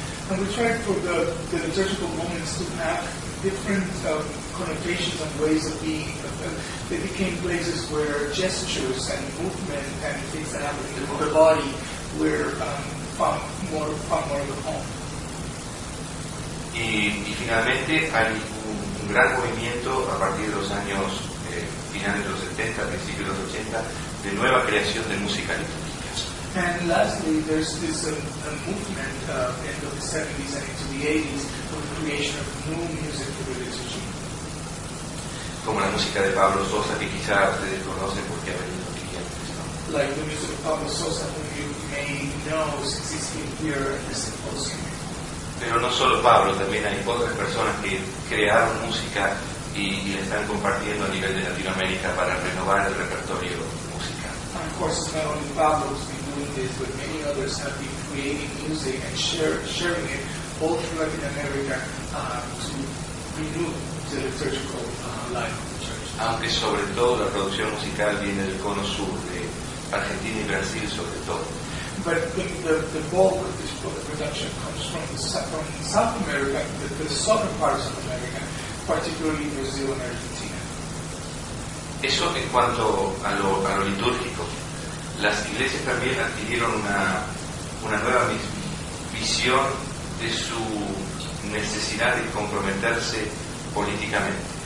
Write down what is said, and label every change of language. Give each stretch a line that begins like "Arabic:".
English: And we tried for the liturgical moments to have different connotations and ways of being. They became places where gestures and movement and things that happened in the body were found more of a home.
Spanish: Y finalmente hay un gran movimiento a partir de los años finales de los 70, principios de los 80, de nueva creación de música litúrgica.
English: And lastly, there's this a movement end of the 70s and into the 80s for the creation of new music for the liturgy.
Spanish: Como la música de Pablo Sosa, que quizá ustedes conocen porque ha venido aquí antes, ¿no?
English: Like the music of Pablo Sosa, whom you may know since he's been here at the symposium.
Spanish: Pero no solo Pablo, también hay otras personas que crearon música y la están compartiendo a nivel de Latinoamérica para renovar el repertorio musical.
English: And of course, it's not only Pablo who's been doing this, but many others have been creating music and sharing it all through Latin America to renew the liturgical
Spanish: aunque sobre todo la producción musical viene del cono sur de Argentina y Brasil sobre todo.
English: But the bulk of this production comes from South America, the southern parts of America, particularly Brazil and Argentina.
Spanish: Eso en cuanto a lo litúrgico. Las iglesias también adquirieron una nueva visión de su necesidad de comprometerse políticamente.